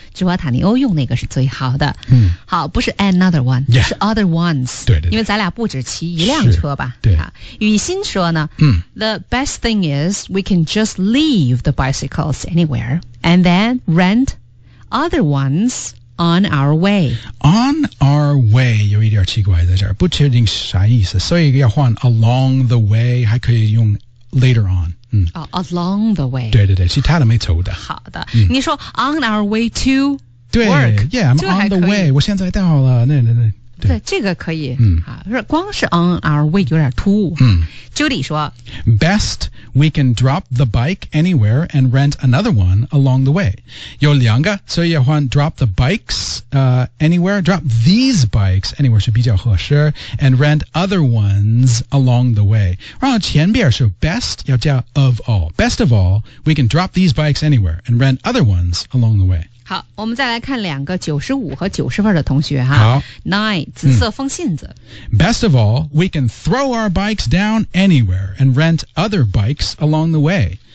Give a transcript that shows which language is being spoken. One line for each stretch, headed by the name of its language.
Chinese: 芝华塔尼欧用那个是最好的嗯，好不是
English: another one、 yeah.
Chinese: 是
English: other ones
Chinese: 对 对, 对因为咱俩不止骑一辆车吧对雨欣说呢嗯
English: The best thing is we can just leave the bicycles anywhere and then rent other ones on our way. On our way,
Chinese: 有一点奇怪在这儿，不确定啥意思，所以要换
English: along the way,
Chinese: 还可以用
English: later on. Along the way.
Chinese: 对对对，其他的没错的。好的，你说
English: on our way to work. 对 ，Yeah, I'm on the way.
Chinese: 我现在到了。
English: 对，
Chinese: 这个可以。好，光是
English: on our way
Chinese: 有点突兀。Judy 说
English: ，Best we can drop the bike anywhere and rent another one along the way.
Chinese: 有两个，所以要换
English: drop the bikes anywhere, drop these bikes anywhere
Chinese: 是比较合适
English: and rent other ones along the way.
Chinese: 然后前边是
English: best
Chinese: 要加
English: of all. Best of all, we can drop these bikes anywhere and rent other ones along the way.
Chinese: 好，我们再来看两个95和90分的同学哈。好，Nine 紫色风信子。
English: Best of all, we can throw our bikes down anywhere and rent other bikes along the way.